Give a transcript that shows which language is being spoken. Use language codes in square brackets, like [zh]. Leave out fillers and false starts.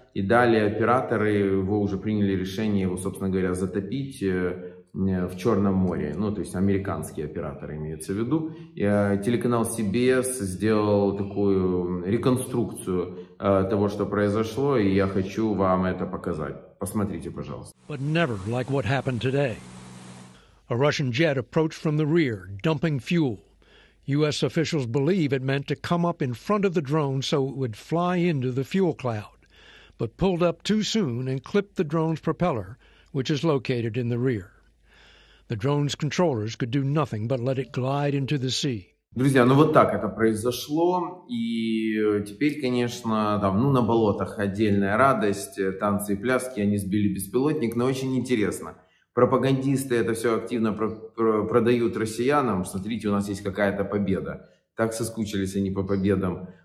[ru] И далее операторы его уже приняли решение его, собственно говоря, затопить в Черном море. Ну, то есть американские операторы имеются в виду. И телеканал CBS сделал такую реконструкцию того, что произошло. И я хочу вам это показать. Посмотрите, пожалуйста. [en] But never like what happened today. A Russian jet approached from the rear, dumping fuel. US officials believe it meant to come up in front of the drone so it would fly into the fuel cloud. But pulled up too soon and clipped the drone's propeller, which is located in the rear. The drone's controllers could do nothing but let it glide into the sea. [ru] Друзья, ну вот так это произошло, и теперь, конечно, там, ну, на болотах отдельная радость, танцы и пляски, они сбили беспилотник, но очень интересно. Пропагандисты это все активно продают россиянам. Смотрите, у нас есть какая-то победа. Так соскучились они по победам.